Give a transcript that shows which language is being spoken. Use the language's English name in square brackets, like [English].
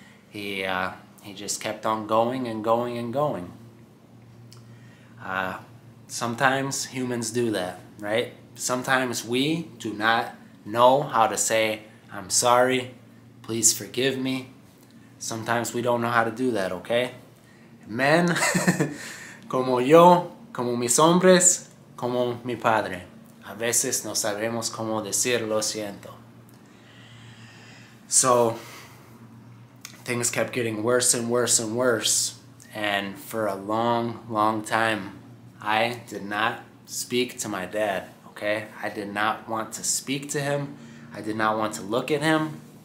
[English] He just kept on going and going and going. Sometimes humans do that, right? Sometimes we do not know how to say, I'm sorry, please forgive me. Sometimes we don't know how to do that, okay? [Spanish] Men, como yo, como mis hombres, como mi padre. A veces no sabemos cómo decir lo siento. [English] So, things kept getting worse and worse and worse. And for a long, long time, I did not speak to my dad, okay? I did not want to speak to him. I did not want to look at him.